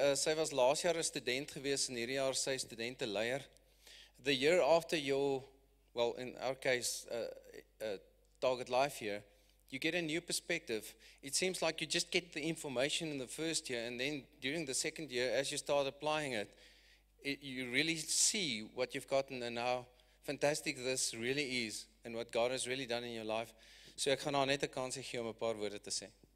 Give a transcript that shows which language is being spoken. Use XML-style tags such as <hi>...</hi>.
<af>Sy was laas jaar 'n student gewees, en hierdie jaar sy studente leier.</af> <en>The year after your, well, in our case, Target Life year, you get a new perspective. It seems like you just get the information in the first year, and then during the second year, as you start applying it, you really see what you've gotten and how fantastic this really is and what God has really done in your life.</en> <af>So ek gaan haar net 'n kans gee om 'n paar woorde te sê.</af>